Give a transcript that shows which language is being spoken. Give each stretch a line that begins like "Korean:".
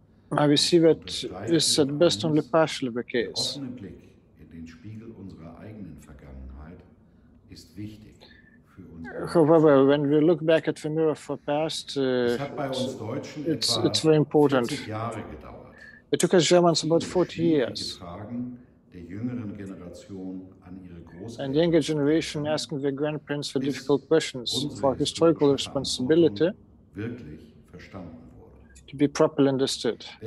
English: Now we see that this is at best only partially the case.
German: Der offene Blick in den Spiegel unserer eigenen Vergangenheit ist wichtig.
English: However, when we look back at the mirror for past, it's very important. It took us Germans about 40 years. And the younger generation asking their grandparents the difficult questions for historical responsibility to be properly understood.